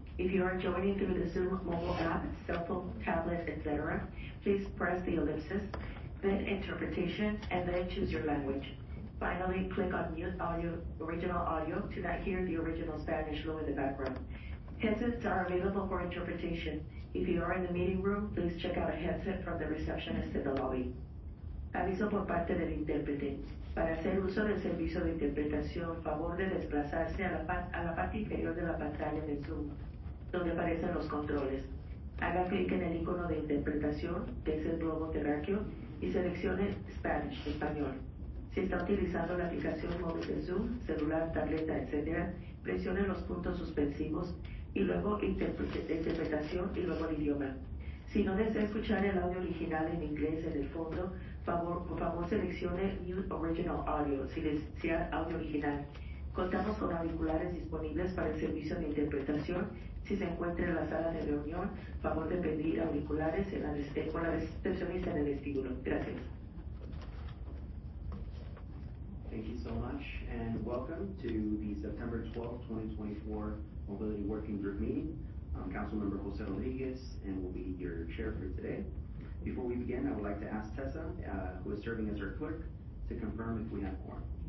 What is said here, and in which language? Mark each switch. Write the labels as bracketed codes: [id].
[en] If you are joining through the Zoom mobile app, cell phone, tablet, etc., please press the ellipsis, then interpretation, and then choose your language. Finally, click on mute audio, original audio, to not hear the original Spanish low in the background. Headsets are available for interpretation. If you are in the meeting room, please check out a headset from the receptionist in the lobby. [es] Aviso por parte del intérprete. Para hacer uso del servicio de interpretación, favor de desplazarse a la parte inferior de la pantalla de Zoom, donde aparecen los controles. Haga clic en el icono de interpretación, que es el globo terráqueo, y seleccione Spanish, español. Si está utilizando la aplicación móvil de Zoom, celular, tableta, etc., presione los puntos suspensivos y luego interpretación y luego el idioma. Si no desea escuchar el audio original en inglés en el fondo, por favor seleccione Mute Original Audio si desea audio original. Contamos con auriculares disponibles para el servicio de interpretación. Si se encuentra en la sala de reunión, favor de pedir auriculares con la recepcionista en el vestíbulo. Gracias. [en] Thank you so much, and welcome to the September 12, 2024 Mobility Working Group meeting. I'm Councilmember Jose Rodriguez, and will be your chair for today. Before we begin, I would like to ask Tessa, who is serving as our clerk, to confirm if we have quorum.